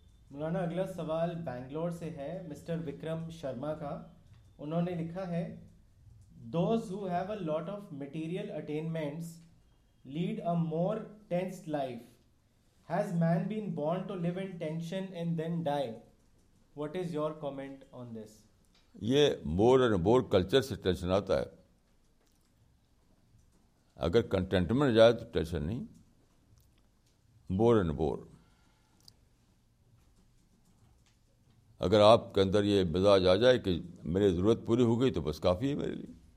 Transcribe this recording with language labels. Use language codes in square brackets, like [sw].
[ur] مولانا اگلا سوال بینگلور سے ہے مسٹر وکرم شرما کا. انہوں نے لکھا ہے [en] Those who have a lot of material attainments lead a more tensed life. Has man been born to live in tension and then die? What is your comment on this? [ur] یہ [en] more and more culture [ur] سے tension آتا ہے. اگر contentment جائے تو tension نہیں. more اگر آپ کے اندر یہ مزاج آ جائے کہ میری ضرورت پوری ہو گئی تو بس کافی ہے میرے لیے,